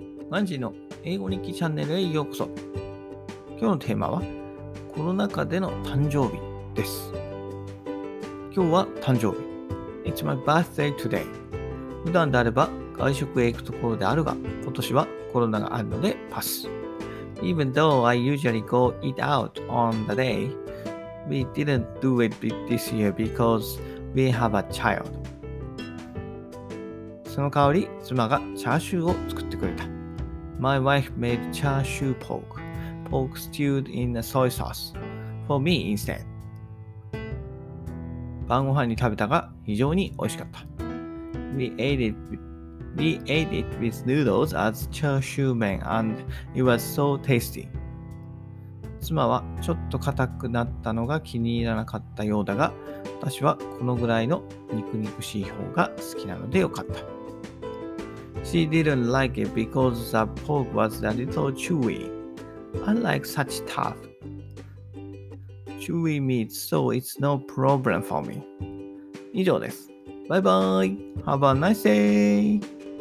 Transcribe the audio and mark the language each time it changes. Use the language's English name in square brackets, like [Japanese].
[Japanese] マンジーの英語日記チャンネルへようこそ。今日のテーマはコロナ禍での誕生日です。今日は誕生日、 [English] It's my birthday today。 [Japanese] 普段であれば外食へ行くところであるが、今年はコロナがあるのでパス。 [English] Even though I usually go eat out on the day, we didn't do it this year because we have a child。 [Japanese] その代わり妻がチャーシューを作ってくれた。 [English] My wife made char siu pork, pork stewed in a soy sauce for me instead。 [Japanese] 晩ご飯に食べたが非常に美味しかった。 [English] We ate it with noodles as char siu mein and it was so tasty。 [Japanese] 妻はちょっと硬くなったのが気に入らなかったようだが、私はこのぐらいの肉肉しい方が好きなのでよかった。 [English] She didn't like it because the pork was a little chewy, unlike such tough, chewy meat, so it's no problem for me. [Japanese] 以上です。バイバイ。 [English] Have a nice day!